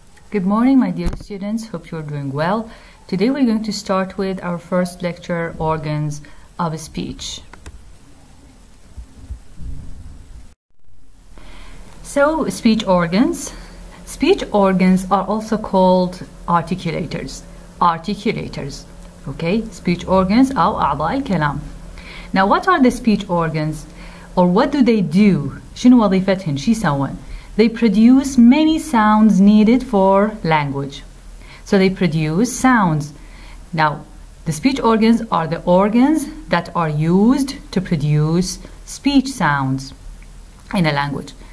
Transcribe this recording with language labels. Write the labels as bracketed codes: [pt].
[en] Good morning, my dear students. Hope you're doing well. Today we're going to start with our first lecture, Organs of Speech. So, speech organs. Speech organs are also called articulators. Articulators. Okay? Speech organs, [ar] أو أعضاء الكلام. [en] Now, what are the speech organs? Or what do they do? [ar] شنو وظيفتهن؟ شي سوون؟ [en] They produce many sounds needed for language. So they produce sounds. Now, the speech organs are the organs that are used to produce speech sounds in a language.